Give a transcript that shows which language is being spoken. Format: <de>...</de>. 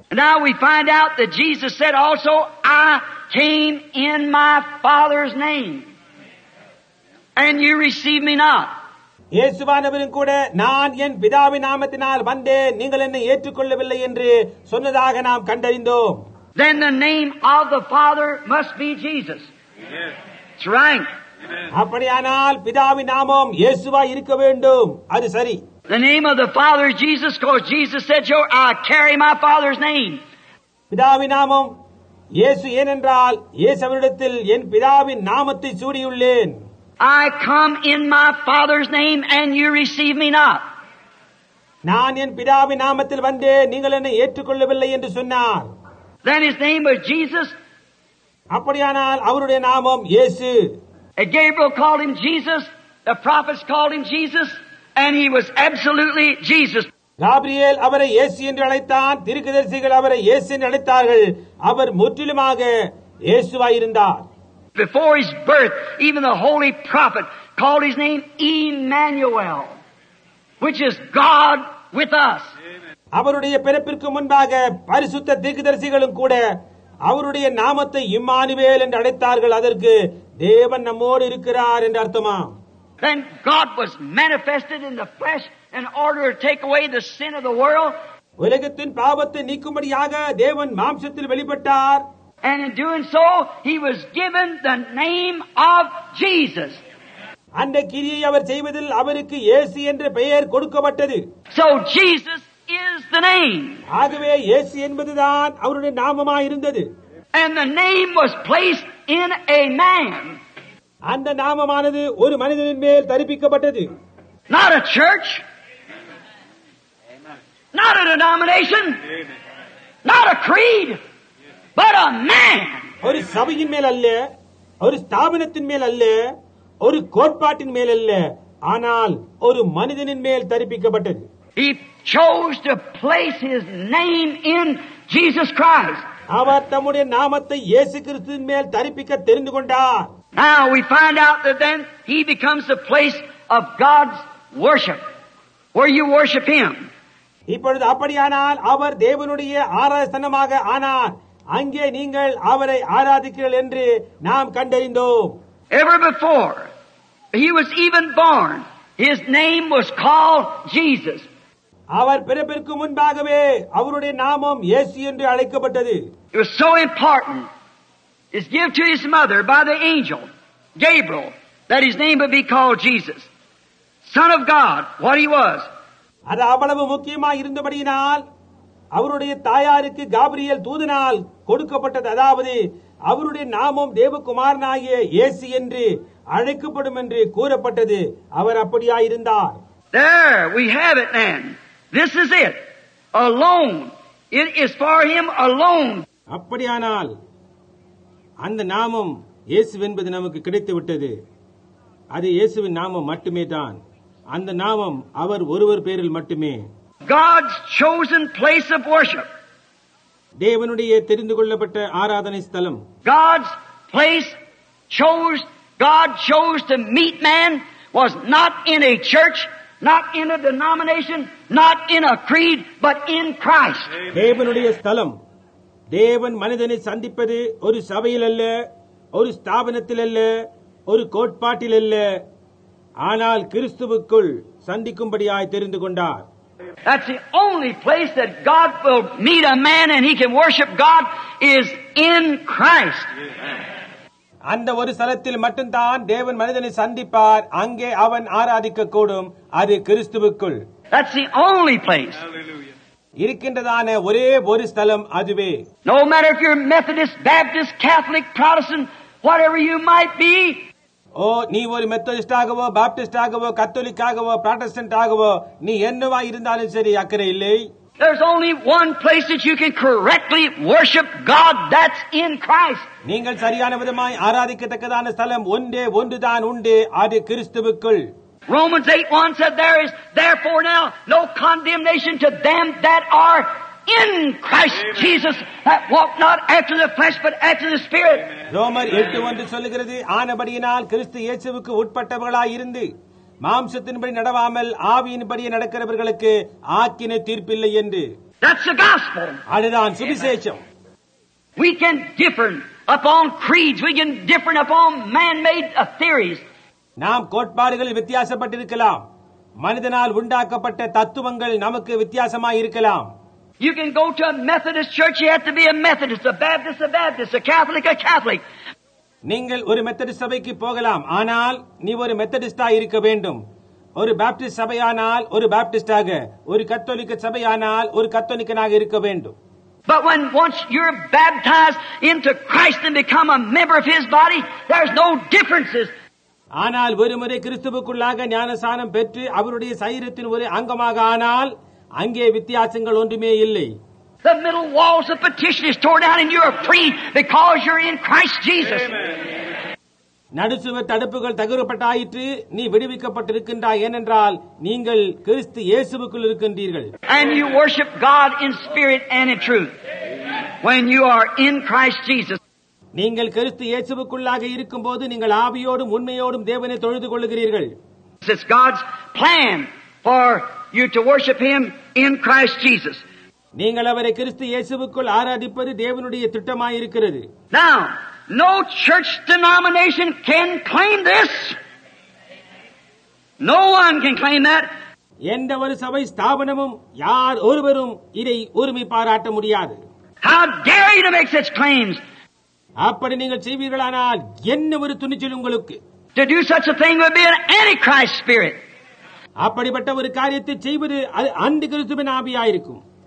<en>Now we find out that Jesus said also, I came in my Father's name, and you receive me not.</en> <ta>இயேசுவானவரும் கூட, நான் என் பிதாவின் நாமத்தினால் வந்தேன், நீங்கள் என்னை ஏற்றுக்கொள்ளவில்லை என்று சொன்னதாக நாம் கண்டறிந்தோம்.</ta> <en>Then the name of the Father must be Jesus. Amen. It's right.</en> <ta>அப்படியானால் பிதாவின் நாமம் இயேசுவா இருக்க வேண்டும், அது சரி.</ta> <en>The name of the Father is Jesus, because Jesus said, I carry my Father's name.</en> <ta>பிதாவின் நாமம் இயேசு, ஏனென்றால் இயேசு அவரிடத்தில் என் பிதாவின் நாமத்தை சூடியுள்ளேன்.</ta> <en>I come in my Father's name and you receive me not.</en> <ta>நான் என் பிதாவின் நாமத்தில் வந்தேன், நீங்கள் என்னை ஏற்றுக்கொள்ளவில்லை என்று சொன்னார்.</ta> <en>Then his name was Jesus.</en> <ta>அப்படியானால் அவருடைய நாமம் இயேசு.</ta> <en>Gabriel called him Jesus, the prophets called him Jesus, and he was absolutely Jesus.</en> <ta>Gabriel அவரை இயேசு என்று அழைத்தான், தீர்க்கதரிசிகள் அவரை இயேசு என்று அழைத்தார்கள், அவர் முற்றிலுமாக இயேசுவாயிருந்தார்.</ta> <en>Before his birth, even the holy prophet called his name Emmanuel, which is God with us.</en> <ta>அவருடைய பிறப்பிற்கு முன்பாக பரிசுத்த தீர்க்கதரிசிகளும் கூட அவருடைய நாமத்தை இம்மானுவேல் என்று அழைத்தார்கள், அதற்கு தேவன் நம்மோடு இருக்கிறார் என்று அர்த்தமா.</ta> <en>Then God was manifested in the flesh in order to take away the sin of the world.</en> <ta>உலகத்தின் பாவத்தை நீக்கும்படியாக தேவன் மாம்சத்தில் வெளிப்பட்டார்.</ta> <en>And in doing so, he was given the name of Jesus.</en> <ta>அந்த கிரியை அவர் செய்வதில் அவருக்கு இயேசு என்ற பெயர் கொடுக்கப்பட்டது.</ta> <en>So Jesus is the name.</en> <ta>ஆகவே இயேசு என்பதுதான் அவருடைய நாமமாயிருந்தது.</ta> <en>And the name was placed in a man.</en> <ta>அந்த நாமமானது ஒரு மனிதனின் மேல் தரிப்பிக்கப்பட்டது.</ta> <en>Not a church. Amen. Not a denomination. Amen. Not a creed. But a man.</en> <ta>ஒரு சபையின் மேல் அல்ல, ஒரு ஸ்தாபனத்தின் மேல் அல்ல, ஒரு கோட்பாட்டின் மேல் அல்ல, ஆனால் ஒரு மனிதனின் மேல் தரிப்பிக்கப்பட்டது.</ta> <en>He chose to place his name in Jesus Christ.</en> <ta>அவர் தம்முடைய நாமத்தை இயேசு கிறிஸ்துவின் மேல் தரிப்பிக்க தெரிந்து கொண்டார்.</ta> <en>Now we find out that then he becomes the place of God's worship, where you worship him.</en> <ta>இப்பொழுது அப்படியானால் அவர் தேவனுடைய ஆராதனமாக ஆனார், அங்கே நீங்கள் அவரை ஆராதிக்கிறீர்கள் என்று நாம் கண்டறிந்தோம்.</ta> <en>Ever before he was even born, his name was called Jesus.</en> <ta>அவர் பிறப்பிற்கு முன்பாகவே அவருடைய நாமம் இயேசு என்று அழைக்கப்பட்டது.</ta> <en>It was so important, is given to his mother by the angel Gabriel, that his name would be called Jesus, Son of God, what he was.</en> <ta>அது அவ்வளவு முக்கியமாக இருந்தபடியினால் அவருடைய தாயாருக்கு காபிரியேல் தூதனால் கொடுக்கப்பட்டது, அதாவது அவருடைய நாமம் தேவகுமாரனாகிய இயேசு என்று அழைக்கப்படும் என்று கூறப்பட்டது. அவர் அப்படியாயிருந்தார்.</ta> <en>There we have it, man. This is it. Alone. It is for him alone.</en> <ta>அப்படியானால் அந்த நாமம் இயேசு என்பது நமக்கு கிடைத்துவிட்டது. அது இயேசுவின் நாமம் மட்டுமே தான். அந்த நாமம் அவர் ஒருவர் பேரில் மட்டுமே.</ta> <en>God's chosen place of worship.</en> <ta>தேவனுடைய தெரிந்து கொள்ளப்பட்ட ஆராதனை ஸ்தலம்.</ta> <en>God's place chose, God chose to meet man was not in a church, not in a denomination, not in a creed, but in Christ.</en> <ta>தேவனுடைய ஸ்தலம், தேவன் மனிதனை சந்திப்பது ஒரு சபையில் அல்ல, ஒரு ஸ்தாபனத்தில் அல்ல, ஒரு கோட்பாட்டில் அல்ல, ஆனால் கிறிஸ்துவுக்குள் சந்திக்கும்படியாய் தெரிந்து கொண்டார்.</ta> <en>That's the only place that God will meet a man and he can worship God is in Christ.</en> <ta>அந்த ஒரு ஸ்தலத்தில் மட்டும்தான் தேவன் மனிதனை சந்திப்பார், அங்கே அவன் ஆராதிக்க கூடும், அது கிறிஸ்துவுக்குள்.</ta> <en>That's the only place.</en> <ta>இருக்கின்றதான ஒரே ஒரு ஸ்தலம் அதுவே.</ta> <en>No matter if you're Methodist, Baptist, Catholic, Protestant, whatever you might be,</en> <ta>ஓ நீ ஒரு மெத்தடிஸ்டாகவோ பாப்டிஸ்டாகவோ கத்தோலிக்காகவோ ப்ரோடெஸ்டன்டாகவோ நீ என்னவா இருந்தாலும் சரி அக்கறை இல்லை.</ta> <en>There's only one place that you can correctly worship God, that's in Christ.</en> <ta>நீங்கள் சரியான விதமாய் ஆராதிக்கத்தக்கதான ஸ்தலம் ஒன்றே ஒன்றுதான் உண்டு, அது கிறிஸ்துவுக்குள்.</ta> <en>Romans 8:1 said there is therefore now no condemnation to them that are in Christ Amen. Jesus that walk not after the flesh but after the spirit.</en> <ta>ரோமர் 8:1 சொல்லுகிறது, ஆனபடியினால் கிறிஸ்து இயேசுவுக்கு உட்பட்டவர்களாய் இருந்து மாம்சத்தின்படி நடவாமல் ஆவியின்படியே நடக்கிறவர்களுக்கு ஆக்கினை தீர்ப்பில்லை என்று.</ta> <en>That's the gospel.</en> <ta>அதுதான் சுவிசேஷம்.</ta> <en>We can differ upon creeds, we can differ upon man-made theories.</en> <ta>நாம் கோட்பாடுகளில் வித்தியாசப்பட்டிருக்கலாம், மனிதனால் உண்டாக்கப்பட்ட தத்துவங்கள் நமக்கு வித்தியாசமாக இருக்கலாம்.</ta> <en>You can go to a Methodist church, you have to be a Methodist, a Baptist, a Catholic.</en> <ta>நீங்கள் ஒரு மெத்தடிஸ்ட் சபைக்கு போகலாம், ஆனால் நீ ஒரு மெத்தடிஸ்டா இருக்க வேண்டும். ஒரு பாப்டிஸ்ட் சபையானால் ஒரு பாப்டிஸ்டாக, ஒரு கத்தோலிக்க சபையானால் ஒரு கத்தோலிக்கனாக இருக்க வேண்டும்.</ta> <en>But when once you're baptized into Christ and become a member of his body, there's no differences.</en> <ta>ஆனால் ஒருமுறை கிறிஸ்துவுக்குள்ளாக ஞானஸ்நானம் பெற்று அவருடைய சரீரத்தின் ஒரு அங்கமாக ஆனால் அங்கே வித்தியாசங்கள் ஒன்றுமே இல்லை.</ta> <en>The middle walls of petition is torn down and you are free because you're in Christ Jesus.</en> <ta>நடுசுவர் தடுப்புகள் தகரப்பட்டாயிற்று, நீ விடுவிக்கப்பட்டிருக்கின்றாய், ஏனென்றால் நீங்கள் கிறிஸ்து இயேசுவுக்குள் இருக்கின்றீர்கள்.</ta> <en>And you worship God in spirit and in truth. When you are in Christ Jesus.</en> <ta>நீங்கள் கிறிஸ்து இயேசுவுக்குள்ளாக இருக்கும்போது நீங்கள் ஆவியோடும் உண்மையோடும் தேவனை தொழுது கொள்கிறீர்கள்.</ta> <en>It's God's plan for you to worship him in Christ Jesus.</en> <ta>நீங்கள் அவரை கிறிஸ்து இயேசுவுக்குள் ஆராதிப்பது தேவனுடைய திட்டமாக இருக்கிறது.</ta> <en>Now, no church denomination can claim this. No one can claim that.</en> <ta>எந்த ஒரு சபை ஸ்தாபனமும் யார் ஒருவரும் இதை உரிமை பாராட்ட முடியாது.</ta> <en>How dare you to make such claims?</en> <ta>அப்படி நீங்கள் செய்வீர்களானால் என்ன ஒரு துணிச்சல் உங்களுக்கு?</ta> <en>To do such a thing would be an antichrist spirit.</en> <ta>அப்படிப்பட்ட ஒரு காரியத்தை செய்வது அது அந்திகிறிஸ்துவின் ஆவியாயிருக்கும்.</ta>